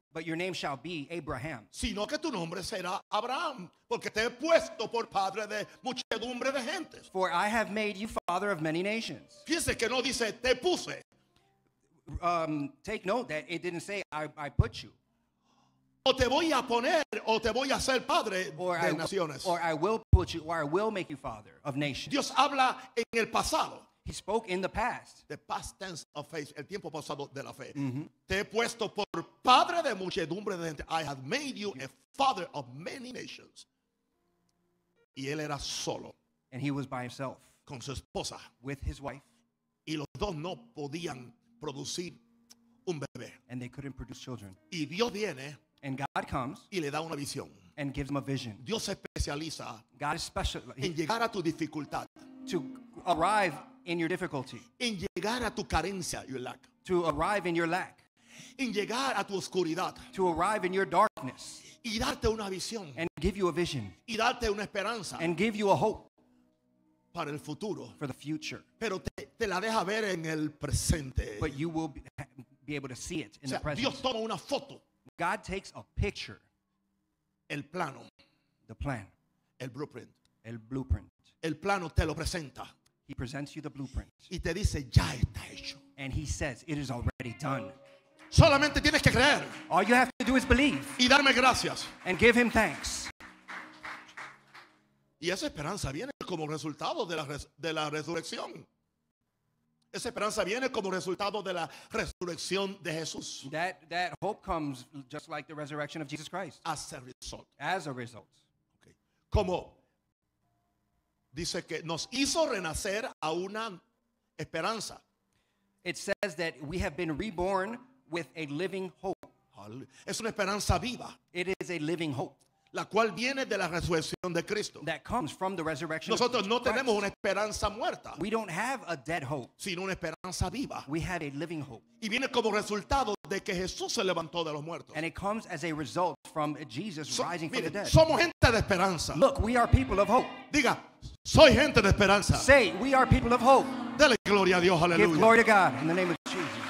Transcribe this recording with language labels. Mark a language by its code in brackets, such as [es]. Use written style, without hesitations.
[en] But your name shall be Abraham. [es] Sino que tu nombre será Abraham, porque te he puesto por padre de muchedumbre de gentes. [en] For I have made you father of many nations. [es] Fíjese que no dice te puse. [en] Take note that it didn't say I put you. [es] O te voy a poner, o te voy a ser padre de naciones. [en] Or I will put you, or I will make you father of nations. [es] Dios habla en el pasado. [en] He spoke in the past. The past tense of faith, [es] el tiempo pasado de la fe. Mm-hmm. Te he puesto por padre de muchedumbre de gente. [en] I have made you a father of many nations. [es] Y él era solo. [en] And he was by himself. [es] Con su esposa. [en] With his wife. [es] Y los dos no podían producir un bebé. [en] And they couldn't produce children. [es] Y Dios viene. [en] And God comes. [es] Y le da una visión. [en] And gives him a vision. [es] Dios se especializa. [en] God is special. [es] En llegar a tu dificultad. [en] To arrive in your difficulty. [es] En llegar a tu carencia, [en] your lack. To arrive in your lack. [es] En llegar a tu oscuridad. [en] To arrive in your darkness. [es] Y darte una visión. [en] And give you a vision. [es] Y darte una esperanza. [en] And give you a hope. [es] Para el futuro. [en] For the future. [es] Pero te la deja ver en el presente. [en] But you will be able to see it in [es] o sea, [en] the present. [es] Dios toma una foto. [en] God takes a picture. [es] El plano. [en] The plan. [es] El blueprint. El blueprint. El plano te lo presenta. [en] He presents you the blueprint. [es] Y te dice, ya está hecho. [en] And he says, it is already done. [es] Solamente tienes que creer. [en] All you have to do is believe. [es] Y darme gracias. [en] And give him thanks. [es] Y esa esperanza viene como resultado de la resurrección. Esa esperanza viene como resultado de la resurrección de Jesús. [en] That hope comes just like the resurrection of Jesus Christ. As a result. Okay. [es] Como dice que nos hizo renacer a una esperanza. [en] It says that we have been reborn with a living hope. [es] Es una esperanza viva. [en] It is a living hope. [es] La cual viene de la resurrección de Cristo. [en] That comes from the resurrection [es] Nosotros [en] of [es] no tenemos [en] Christ. [es] Una esperanza muerta. [en] We don't have a dead hope. [es] Sino una esperanza viva. [en] We have a living hope. [es] Y viene como resultado de que Jesús se levantó de los muertos. [en] And it comes as a result from Jesus rising [es] mire, [en] from the dead. [es] Somos gente de esperanza. [en] Look, we are people of hope. [es] Diga, soy gente de esperanza. [en] Say, we are people of hope. [es] Dale gloria a Dios, aleluya. [en] Give glory to God in the name of Jesus.